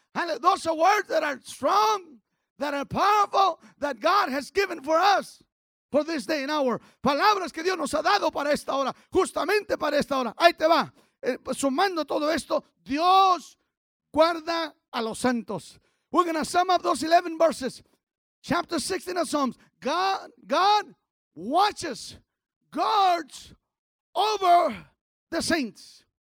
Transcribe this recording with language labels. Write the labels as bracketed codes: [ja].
[en] And those are words that are strong, that are powerful, that God has given for us for this day and hour. [es] Palabras que Dios nos ha dado para esta hora, justamente para esta hora. Ahí te va. Sumando todo esto, Dios guarda a los santos. [en] We're going to sum up those 11 verses. Chapter 16 of Psalms, God watches, guards over the saints.